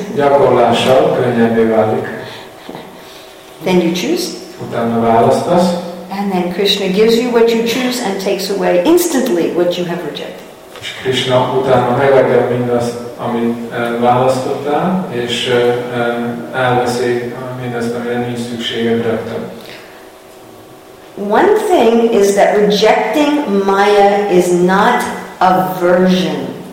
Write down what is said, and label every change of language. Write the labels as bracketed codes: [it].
[hu] Gyakorlással könnyebbé válik. [en] Then you choose. [hu] Utána választasz. [en] And then Krishna gives you what you choose and takes away instantly what you have rejected. [hu] És Krishna utána megadja mindazt, amit választottál, és elveszi mindazt, amire nincs szükséged rögtön. [en] One thing is that rejecting Maya is not aversion.